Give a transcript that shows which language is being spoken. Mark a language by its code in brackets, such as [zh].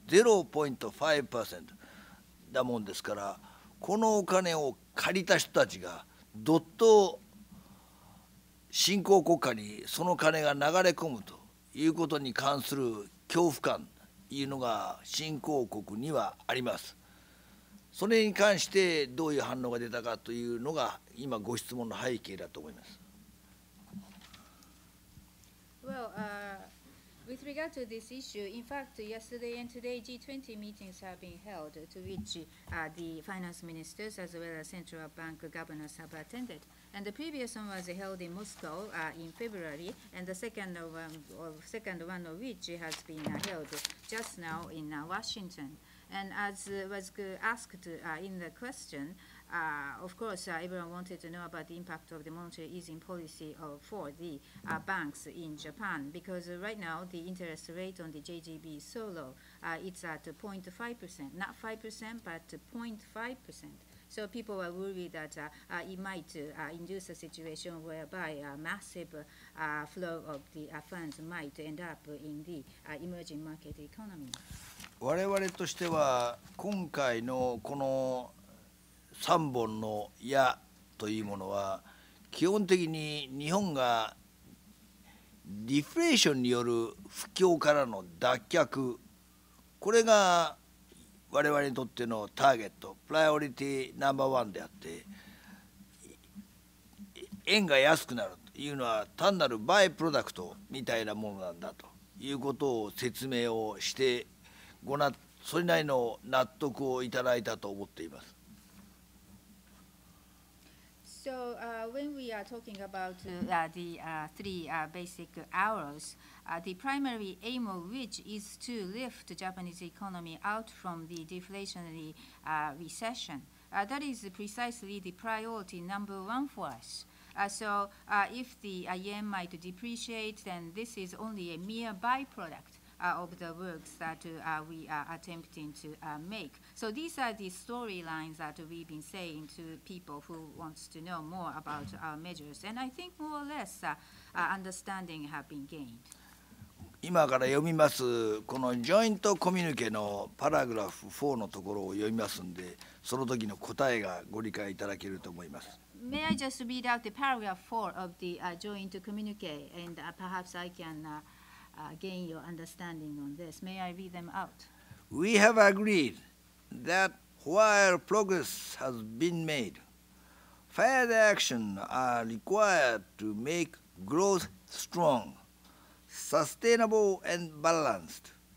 [ja] 0.5% だもんですから、このお金を借りた人たちがどっと新興国家にその金が流れ込むということに関する恐怖感というのが新興国にはあります。それに関してどういう反応が出たかというのが今ご質問の背景だと思います。 [en] Well, with regard to this issue, in fact, yesterday and today, G20 meetings have been held to which the finance ministers as well as central bank governors have attended. And the previous one was held in Moscow in February, and the second one of which has been held just now in Washington. And as was asked in the question, of course, everyone wanted to know about the impact of the monetary easing policy for the banks in Japan, because right now the interest rate on the JGB is so low. It's at 0.5%, not 5%, but 0.5%. So people are worried that it might induce a situation whereby a massive flow of the funds might end up in the emerging market economy. [ja] 我々としては今回のこの3本の矢というものは基本的に日本がディフレーションによる不況からの脱却、これが我々にとってのターゲット、プライオリティナンバーワンであって、円が安くなるというのは単なるバイプロダクトみたいなものなんだということを説明をして、それなりの納得をいただいたと思っています。 [en] So, when we are talking about the three basic arrows, the primary aim of which is to lift the Japanese economy out from the deflationary recession. That is precisely the priority number one for us. If the yen might depreciate, then this is only a mere byproduct of the works that we are attempting to make. So these are the storylines that we've been saying to people who want to know more about our measures. And I think more or less understanding have been gained. [ja] 今から読みますこのジョイントコミュニケのパラグラフ4のところを読みますんで、その時の答えがご理解いただけると思います。 [en] May I just read out the paragraph 4 of the joint communique, and perhaps I can gain your understanding on this. May I read them out? We have agreed that while progress has been made, further action are required to make growth strong, sustainable and balanced.